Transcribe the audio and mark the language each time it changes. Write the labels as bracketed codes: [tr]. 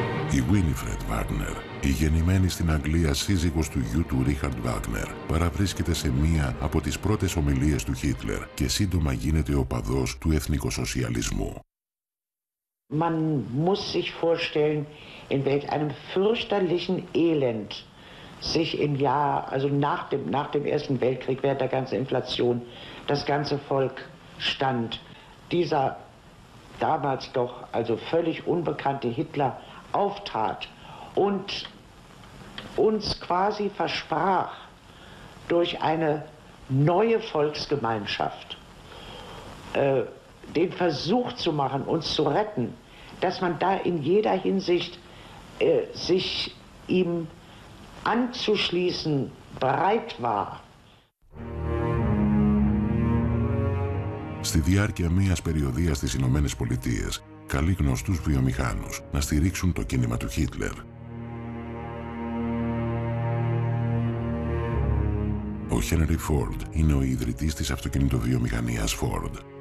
[el] Η Γουίνιφρεντ Βάγνερ, η γεννημένη στην Αγγλία σύζυγος του γιου του Ρίχαρντ Βάγνερ, παραβρίσκεται σε μία από τις πρώτες ομιλίες του Χίτλερ και σύντομα γίνεται οπαδός του εθνικοσοσιαλισμού. [de] Man muss sich vorstellen, in welch einem fürchterlichen Elend sich im Jahr, also nach dem Ersten Weltkrieg, während der ganzen Inflation, das ganze Volk stand. Dieser damals doch also völlig unbekannte Hitler auftrat und uns quasi versprach, durch eine neue Volksgemeinschaft den Versuch zu machen, uns zu retten, dass man da in jeder Hinsicht sich ihm anzuschließen bereit war. [el] Στη διάρκεια μίας περιοδίας στις Ηνωμένες Πολιτείες, καλεί γνωστούς βιομηχάνους να στηρίξουν το κίνημα του Χίτλερ. Ο Χένρι Φόρντ είναι ο ιδρυτής της αυτοκινητοβιομηχανίας Φόρντ.